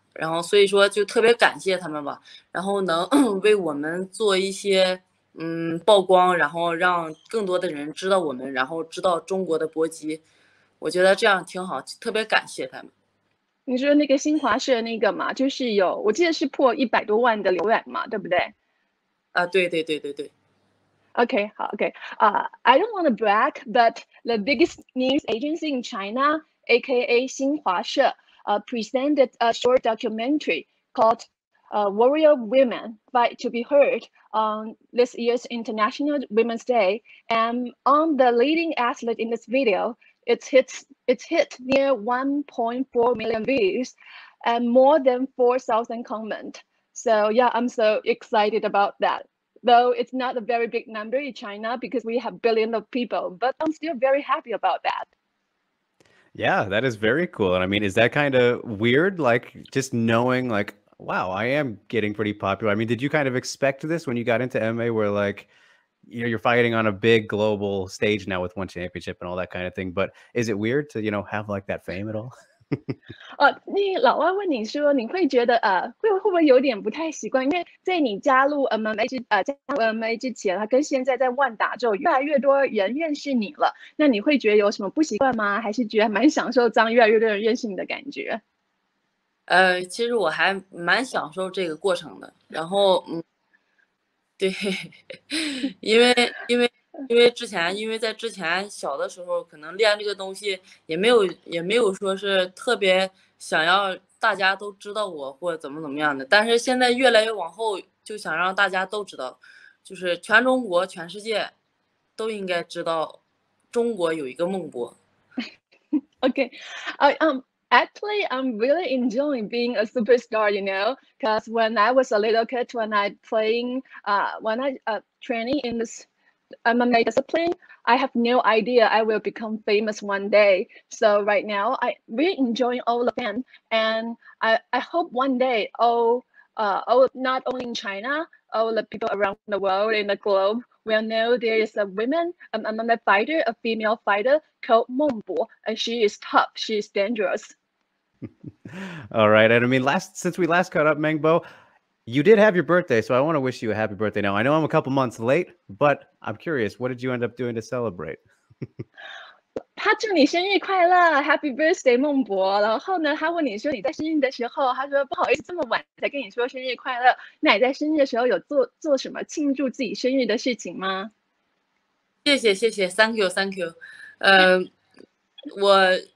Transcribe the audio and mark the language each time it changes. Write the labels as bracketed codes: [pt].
[zh] 然后所以说就特别感谢他们吧，然后能为我们做一些曝光，然后让更多的人知道我们，然后知道中国的搏击，我觉得这样挺好，特别感谢他们。你说那个新华社那个嘛，就是有我记得是破100多万的浏览嘛，对不对？啊，对对对对对。 [en] Okay, okay. I don't want to brag, but the biggest news agency in China, aka 新华社, presented a short documentary called Warrior Women, Fight to be Heard on this year's International Women's Day. And on the leading athlete in this video, it's hit near 1.4 million views and more than 4,000 comments. So yeah, I'm so excited about that. Though it's not a very big number in China because we have billions of people, but I'm still very happy about that. Yeah, that is very cool. And I mean, is that kind of weird? Like just knowing like, wow, I am getting pretty popular. I mean, did you kind of expect this when you got into MMA where like, you know, you're fighting on a big global stage now with one championship and all that kind of thing, but is it weird to, you know, have like that fame at all? [zh] 那老外问你说，你会觉得会不会有点不太习惯？因为在你加入 MMA 之前，他跟现在在万达之后，越来越多人认识你了。那你会觉得有什么不习惯吗？还是觉得蛮享受这样越来越多人认识你的感觉？其实我还蛮享受这个过程的。然后对，因为之前，因为在之前小的时候，可能练这个东西也没有说是特别想要大家都知道我或怎么怎么样的，但是现在越来越往后，就想让大家都知道，就是全中国、全世界都应该知道中国有一个孟博。 [en] Okay, actually, I'm really enjoying being a superstar, you know, because when I was a little kid, when I training in this. MMA discipline, I have no idea I will become famous one day. So right now, I really enjoy all the fans, and I hope one day, not only in China, all the people around the world in the globe will know there is a woman, MMA fighter, a female fighter called Meng Bo, and she is tough, she is dangerous. All right, and I mean, since we last caught up, Meng Bo,You did have your birthday, so I want to wish you a happy birthday now. I know I'm a couple months late, but I'm curious, what did you end up doing to celebrate? [zh] 他祝你生日快乐 ， [en] Happy birthday， [zh] 孟博。然后呢，他问你说你在生日的时候，他说不好意思，这么晚才跟你说生日快乐。那你在生日的时候有做什么庆祝自己生日的事情吗？谢谢谢谢 ， [en] Thank you。 [zh] 我。